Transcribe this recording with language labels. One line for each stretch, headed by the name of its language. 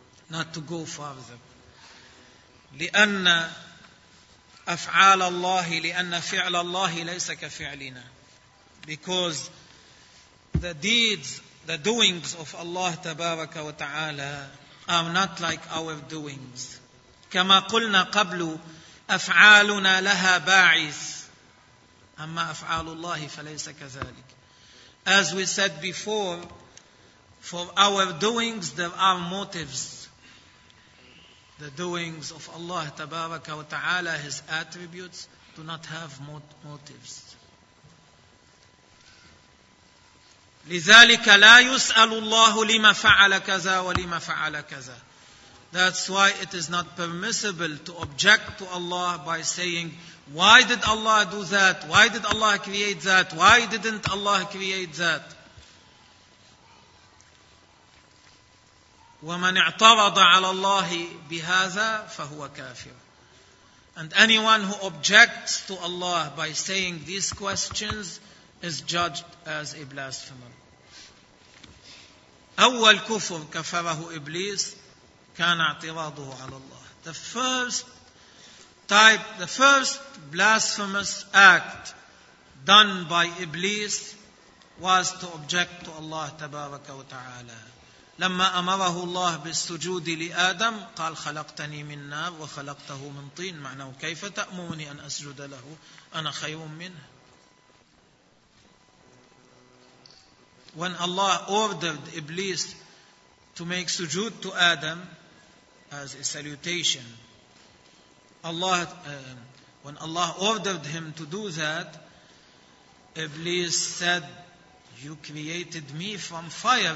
English: Not to go farther.
Arabic: لِأَنَّ أَفْعَالَ اللَّهِ لِأَنَّ فِعْلَ اللَّهِ لَيْسَ كَفِعْلِنَا.
English: Because the deeds, the doings of Allah
Arabic: tabaraka wa ta'ala
English: are not like our doings.
Arabic: كما قلنا قبل أفعالنا لها باعث أما أفعال الله فليس كذلك.
English: As we said before, for our doings there are motives. The doings of Allah
Arabic: tabaraka wa ta'ala,
English: his attributes, do not have motives.
Arabic: لذلك لا يسأل الله لما فعل كذا ولما فعل كذا.
English: That's why it is not permissible to object to Allah by saying, why did Allah do that? Why did Allah create that? Why didn't Allah create that?
Arabic: وَمَنْ اعْتَرَضَ عَلَى اللَّهِ بِهَذَا فَهُوَ كَافِرٌ.
English: And anyone who objects to Allah by saying these questions is judged as a blasphemer.
Arabic: أول كفر كفره إبليس كان اعتراضه على الله.
English: The first type, the first blasphemous act done by Iblis was to object to Allah
Arabic: تبارك وتعالى. لما أمره الله بالسجود لآدم قال خلقتني من نار وخلقته من طين. معناه كيف تأمرني أن أسجد له؟ أنا خير منه.
English: When Allah ordered Iblis to make sujood to Adam as a salutation, when Allah ordered him to do that, Iblis said, you created me from fire.